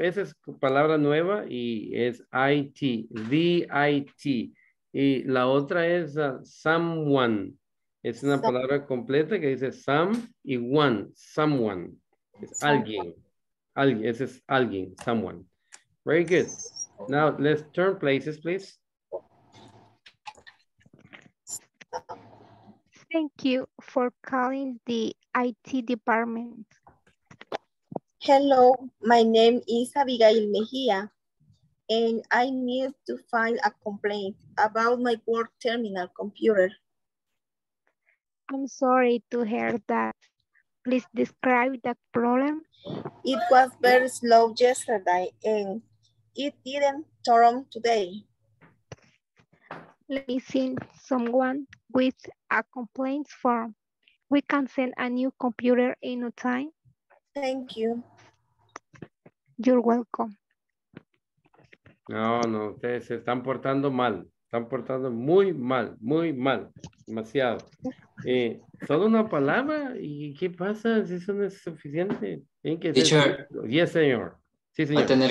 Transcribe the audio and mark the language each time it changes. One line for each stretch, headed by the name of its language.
Spanish: Esa es palabra nueva y es IT, the IT. Y la otra es someone. Es una palabra completa que dice some y one, someone. Es alguien. Alguien, ese es alguien, someone.
English: Very good. Now let's turn places, please. Thank you for calling the IT department. Hello, my name is Abigail Mejia, and I need to file a complaint about my work terminal computer. I'm sorry to hear that. Please describe the problem. It was very slow yesterday, and it didn't turn on today. Let me send someone with a complaint form. We can send a new computer in no time. Thank you. You're welcome.
Spanish: No, no, ustedes se están portando mal. Están portando muy mal, muy mal. Demasiado. Solo una palabra. ¿Y qué pasa? Si eso no es suficiente. Que teacher. Ser... Yes, señor. Sí, señor.